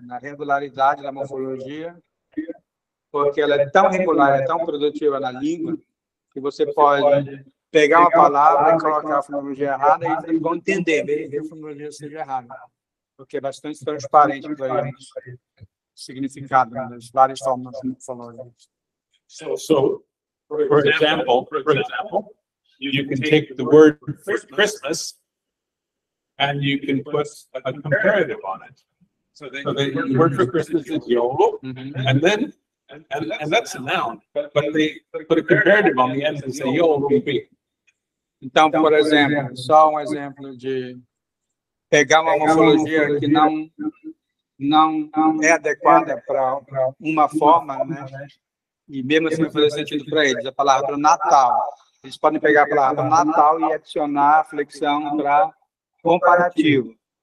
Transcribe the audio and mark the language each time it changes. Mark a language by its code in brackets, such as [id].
[pt] Na regularidade da morfologia, porque ela é tão regular, é tão produtiva na língua, que você pode pegar uma palavra e colocar a fonologia errada e eles vão entender, mesmo que a fonologia seja errada, porque é bastante transparente para eles. Significado das várias formas de morfologia. [en] So, for example, you can take the word Christmas and you can put a comparative on it. So the word for Christmas is yolo, and then that's a noun, but they put a comparative on the end and say yolo. [pt] Então, por exemplo, só um exemplo de pegar uma morfologia que não é adequada para uma forma, né? E mesmo assim não fazer sentido para eles, a palavra Natal. Eles podem pegar a palavra Natal e adicionar a flexão para comparativo.